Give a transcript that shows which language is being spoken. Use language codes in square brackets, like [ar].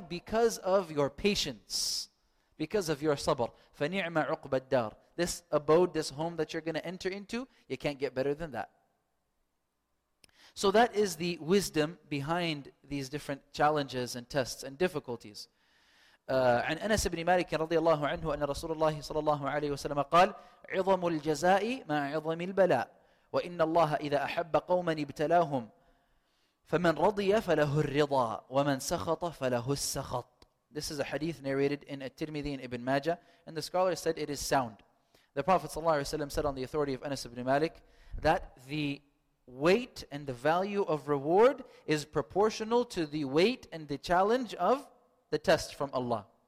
[en] Because of your patience. Because of your sabr. [ar] فَنِعْمَ عُقْبَ الدَّارِ. [en] This abode, this home that you're going to enter into, you can't get better than that. So that is the wisdom behind these different challenges and tests and difficulties. [ar] عن أنس بن مالك رضي الله عنه أن رسول الله صلى الله عليه وسلم قال عظم الجزاء مع عظم البلاء وإن الله إذا أحب قوما ابتلاهم فمن رضي فله الرضا ومن سخط فله السخط. [en] This is a hadith narrated in At-Tirmidhi and Ibn Majah, and the scholar said it is sound. The Prophet ﷺ said on the authority of Anas ibn Malik that the weight and the value of reward is proportional to the weight and the challenge of the test from Allah.